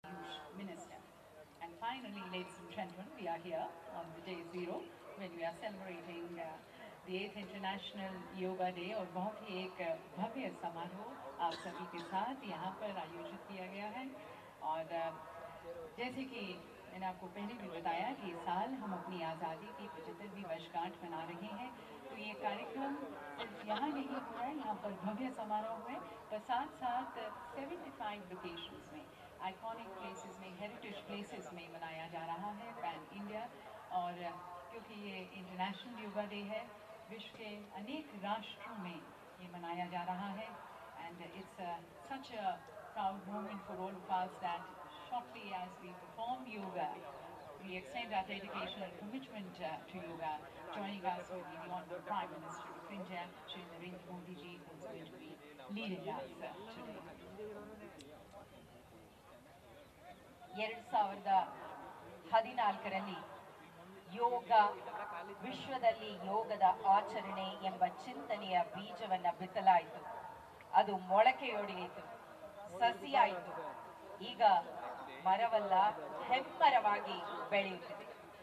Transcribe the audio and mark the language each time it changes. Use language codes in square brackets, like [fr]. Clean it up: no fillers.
[en] finally, ladies and gentlemen, we are here on the day zero when we are celebrating the 8th International Yoga Day. [hi] और बहुत ही एक भव्य समारोह आप सभी के साथ यहाँ पर आयोजित किया गया है. और जैसे कि मैंने आपको पहले भी बताया कि इस साल हम अपनी आज़ादी की 75वीं वर्षगांठ मना रहे हैं, तो ये कार्यक्रम यहाँ नहीं हो रहा है, यहाँ पर भव्य समारोह हुए, पर साथ साथ 75 लोकेशंस में, आइकॉनिक प्लेसेस में, हेरिटेज प्लेसेस में मनाया जा रहा है पैन इंडिया. और क्योंकि ये इंटरनेशनल योगा डे है, विश्व के अनेक राष्ट्रों में ये मनाया जा रहा है. [en] And it's such a proud moment for all of us that shortly as we perform yoga, we extend our dedication and commitment to yoga. Joining us will be the Honorable Prime Minister of India, Shri Narendra Modi ji, who is going to be leading us today. [kn] 2014 ಯೋಗ ವಿಶ್ವದಲ್ಲಿ ಯೋಗದ ಆಚರಣೆ ಎಂಬ ಚಿಂತನೆಯ ಬೀಜವನ್ನು ಬಿತ್ತಲಾಯಿತು, ಅದು ಮೊಳಕೆಯೊಡೆಯಿತು, ಸಸಿಯಾಯಿತು, ಈಗ ಮರವಲ್ಲ ಹೆಮ್ಮರವಾಗಿ ಬೆಳೆಯುತ್ತಿದೆ.